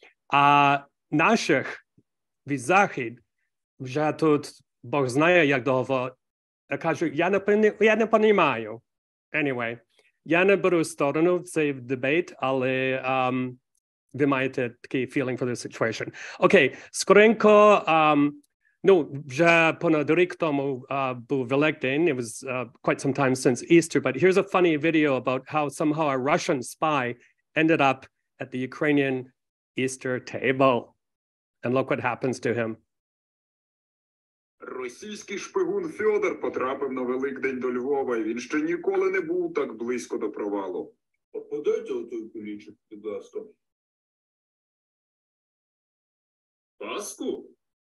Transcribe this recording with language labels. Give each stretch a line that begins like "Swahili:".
Ukrainian: А наших від Захід вже тут, Бог знає, як довго, кажуть, я не понімаю.
English: Anyway.
Ukrainian: Я не беру сторону в цей дебейт, але ви маєте такий
English: feeling for the situation.
Ukrainian: Окей, скоренько, вже понад рік тому був Великдень.
English: It was quite some time since Easter, but here's a funny video about how somehow a Russian spy ended up at the Ukrainian Easter table. And look what happens to him.
Ukrainian: Російський шпигун Фьодор потрапив на Великдень до Львова, і він ще ніколи не був так близько до провалу. Подайте отой кулічок, будь ласка. Паску?